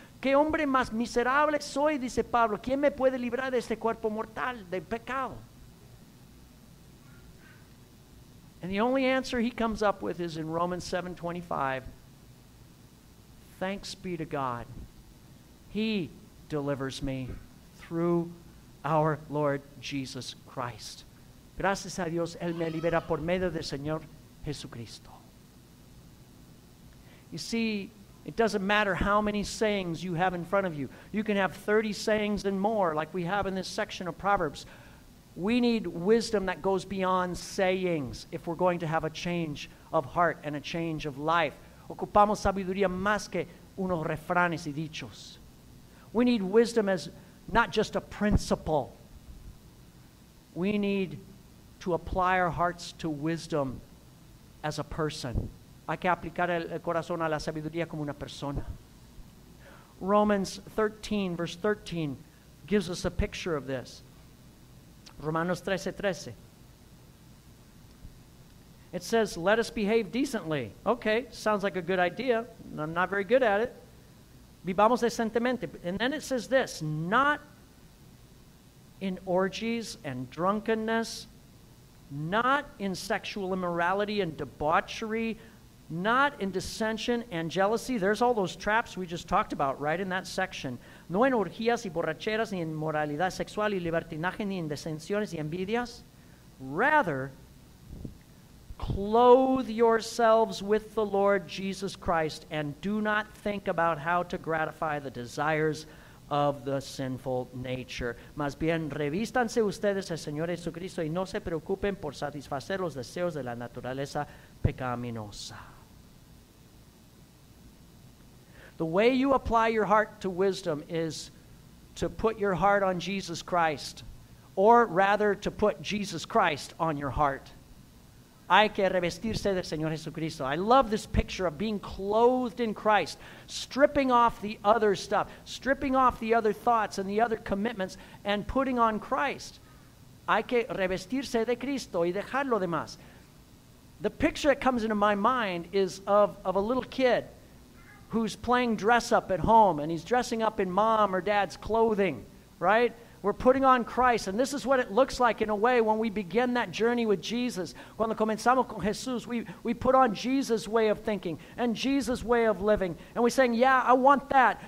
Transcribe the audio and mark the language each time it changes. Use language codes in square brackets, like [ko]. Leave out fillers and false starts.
[es] ¿Qué hombre más miserable soy? Dice Pablo. ¿Quién me puede librar de este cuerpo mortal, de pecado? [en] And the only answer he comes up with is in Romans 7:25. Thanks be to God. He delivers me through our Lord Jesus Christ. [es] Gracias a Dios, Él me libera por medio del Señor Jesucristo. [en] You see, It doesn't matter how many sayings you have in front of you. You can have 30 sayings and more like we have in this section of Proverbs. We need wisdom that goes beyond sayings if we're going to have a change of heart and a change of life. [es] Ocupamos sabiduría más que unos refranes y dichos. [en] We need wisdom as not just a principle. We need to apply our hearts to wisdom as a person. [es] Hay que aplicar el corazón a la sabiduría como una persona. [en] Romans 13, verse 13, gives us a picture of this. [es] Romanos 13:13. [en] It says, let us behave decently. Okay, sounds like a good idea. I'm not very good at it. [es] Vivamos decentemente. [en] And then it says this, not in orgies and drunkenness, not in sexual immorality and debauchery, not in dissension and jealousy. There's all those traps we just talked about right in that section. [es] No en orgías y borracheras, ni en moralidad sexual y libertinaje, ni en disensiones y envidias. [en] Rather, clothe yourselves with the Lord Jesus Christ and do not think about how to gratify the desires of the sinful nature. [es] Más bien, revístanse ustedes al Señor Jesucristo y no se preocupen por satisfacer los deseos de la naturaleza pecaminosa. [en] The way you apply your heart to wisdom is to put your heart on Jesus Christ, or rather to put Jesus Christ on your heart. [es] Hay que revestirse del Señor Jesucristo. [en] I love this picture of being clothed in Christ, stripping off the other stuff, stripping off the other thoughts and the other commitments, and putting on Christ. [es] Hay que revestirse de Cristo y dejar lo demás. [en] The picture that comes into my mind is of a little kid who's playing dress up at home, and he's dressing up in mom or dad's clothing, right? We're putting on Christ, and this is what it looks like in a way when we begin that journey with Jesus. [es] Cuando comenzamos con Jesús, [en] we put on Jesus' way of thinking and Jesus' way of living, and we're saying, yeah, I want that.